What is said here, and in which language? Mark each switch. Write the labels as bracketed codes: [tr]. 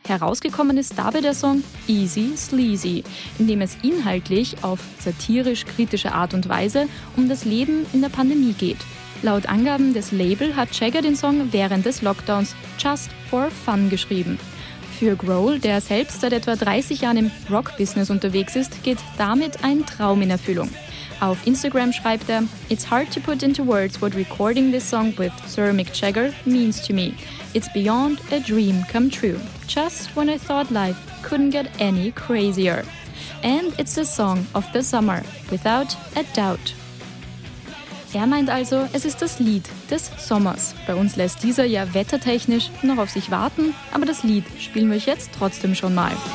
[de] Herausgekommen ist dabei der Song Easy Sleazy, in dem es inhaltlich auf satirisch-kritische Art und Weise um das Leben in der Pandemie geht. Laut Angaben des Label hat Jagger den Song während des Lockdowns [en] Just for Fun [de] geschrieben. Für Grohl, der selbst seit etwa 30 Jahren im Rock-Business unterwegs ist, geht damit ein Traum in Erfüllung. Auf Instagram schreibt er: [en] It's hard to put into words what recording this song with Sir Mick Jagger means to me. It's beyond a dream come true. Just when I thought life couldn't get any crazier. And it's the song of the summer, without a doubt. [de] Er meint also, es ist das Lied des Sommers. Bei uns lässt dieser ja wettertechnisch noch auf sich warten, aber das Lied spielen wir euch jetzt trotzdem schon mal.